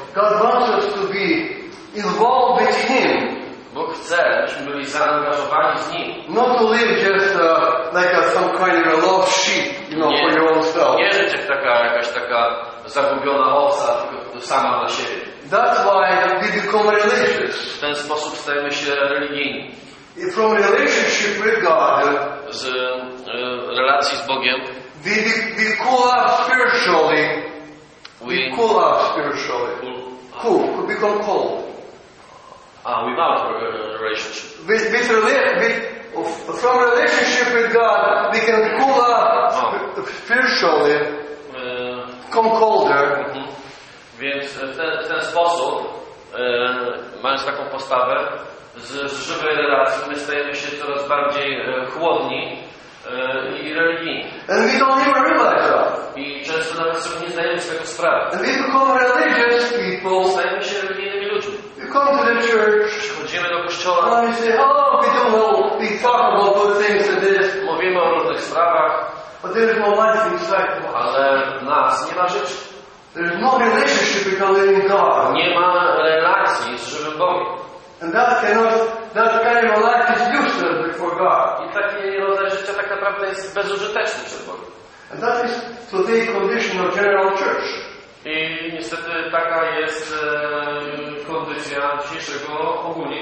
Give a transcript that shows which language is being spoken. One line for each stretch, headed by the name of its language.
English: God wants us to be involved with Him.
Polish: Bóg chce, byśmy byli zaangażowani z Nim.
English: Not to live just like a, some kind of a lost sheep, you know,
Polish: nie,
English: for your own self.
Polish: Nie żyć jak taka, jakaś taka zagubiona owca, tylko sama dla siebie.
English: That's why we become religious.
Polish: W ten sposób stajemy się religijni.
English: And from relationship with God,
Polish: z relacji z Bogiem,
English: we cool up spiritually. We cool up spiritually. Cool, become cold. Ah, without relationship. From relationship with God, we can cool up spiritually, become colder.
Polish: Więc w ten sposób, mając taką postawę, z żywej relacji, my stajemy się coraz bardziej chłodni i religijni.
English: And we don't even realize that.
Polish: I często nawet sobie nie zdajemy sobie sprawy.
English: And we become religious people.
Polish: Stajemy się religijnymi ludźmi.
English: Come to the church.
Polish: Przychodzimy do kościoła.
English: And we say, oh, we don't know. We talk about those things and this.
Polish: Mówimy o różnych sprawach.
English: But there is no life inside.
Polish: Ale nas nie ma rzeczy.
English: There is no relationship with the living God.
Polish: Nie ma relacji z żywym Bogiem.
English: And that cannot, that kind of life is useless before God.
Polish: I takie rodzaj życia tak naprawdę jest bezużyteczny przed Bogiem.
English: And that is today condition of general church.
Polish: I niestety taka jest kondycja dzisiejszego ogólnie